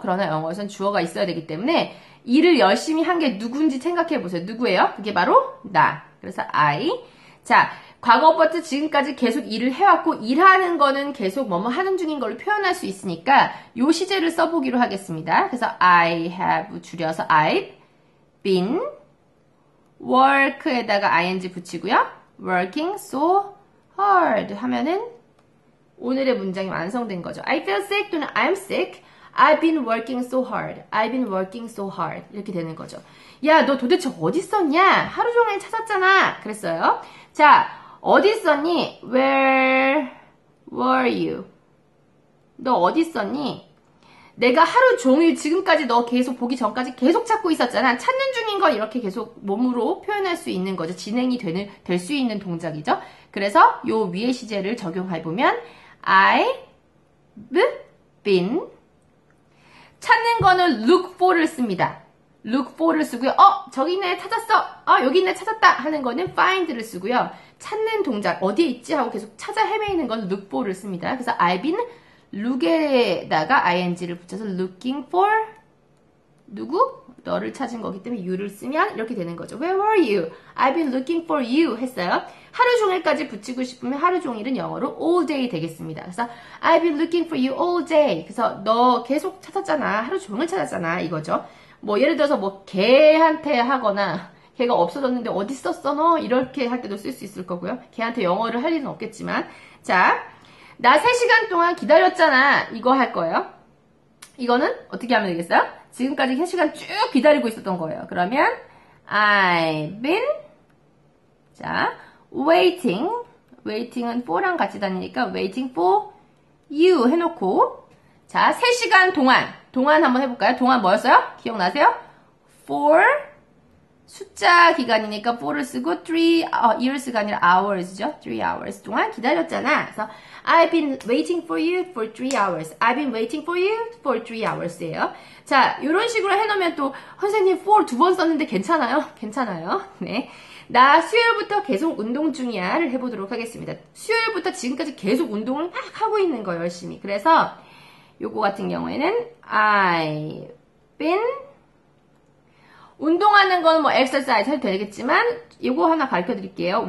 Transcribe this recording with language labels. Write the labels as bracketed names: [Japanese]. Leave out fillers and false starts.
[Korean] 그러나 영어에선 주어가 있어야 되기 때문에 일을 열심히 한게 누군지 생각해 보세요. 누구예요? 그게 바로 나. 그래서 I. 자, 과거부터 지금까지 계속 일을 해왔고 일하는 거는 계속 뭐뭐 하는 중인 걸로 표현할 수 있으니까 요 시제를 써보기로 하겠습니다. 그래서 [English] I have [Korean] 줄여서 [English] I've been [Korean] work에다가 ing 붙이고요. [English] working so hard [Korean] 하면은 오늘의 문장이 완성된 거죠. [English] I feel sick 또는 I'm sick. I've been working so hard. I've been working so hard. [Korean] 이렇게 되는 거죠. 야, 너 도대체 어디 있었냐? 하루 종일 찾았잖아. 그랬어요. 자, 어디 있었니? [English] Where were you? [Korean] 너 어디 있었니? 내가 하루 종일 지금까지 너 계속 보기 전까지 계속 찾고 있었잖아. 찾는 중인 걸 이렇게 계속 몸으로 표현할 수 있는 거죠. 진행이 되는 될수 있는 동작이죠. 그래서 요 위의 시제를 적용해 보면 [English] I've been [Korean] 찾는 거는 look for를 씁니다. look for를 쓰고요. 저기 있네 찾았어. 여기 있네 찾았다 하는 거는 find를 쓰고요. 찾는 동작 어디에 있지 하고 계속 찾아 헤매이는 건 look for를 씁니다. 그래서 [English] I've been [Korean] look에다가 ing를 붙여서 [English] looking for [Korean] 누구? 너를 찾은 거기 때문에 you를 쓰면 이렇게 되는 거죠. [English] Where were you? I've been looking for you 했어요. [Korean] 하루 종일까지 붙이고 싶으면 하루 종일은 영어로 [English] all day [Korean] 되겠습니다. 그래서 [English] I've been looking for you all day. [Korean] 그래서 너 계속 찾았잖아. 하루 종일 찾았잖아. 이거죠. 뭐 예를 들어서 뭐 개한테 하거나 걔가 없어졌는데 어디 있었어 너? 이렇게 할 때도 쓸수 있을 거고요. 걔한테 영어를 할 일은 없겠지만. 자, 나 3시간 동안 기다렸잖아. 이거 할 거예요. 이거는 어떻게 하면 되겠어요? 지금까지 3시간 쭉 기다리고 있었던 거예요. 그러면 [English] I've been [Korean] 자, waiting. waiting은 for랑 같이 다니니까 [English] waiting for you [Korean] 해놓고 자, 3시간 동안 동안 한번 해볼까요? 동안 뭐였어요? 기억나세요? for 숫자 기간이니까 for를 쓰고 years가 아니라 hours죠. 3 hours 동안 기다렸잖아. 그래서 [English] I've been waiting for you for 3 hours. I've been waiting for you for 3 hours예요. [Korean] 자, 이런 식으로 해놓으면 또 선생님 for 두번 썼는데 괜찮아요? 괜찮아요? 네. 나 수요일부터 계속 운동 중이야를 해보도록 하겠습니다. 수요일부터 지금까지 계속 운동을 막 하고 있는 거예요, 열심히. 그래서 요거 같은 경우에는 [English] I've been [Korean] 운동하는 건뭐 exercise 해도 되겠지만 요거 하나 가르쳐드릴게요.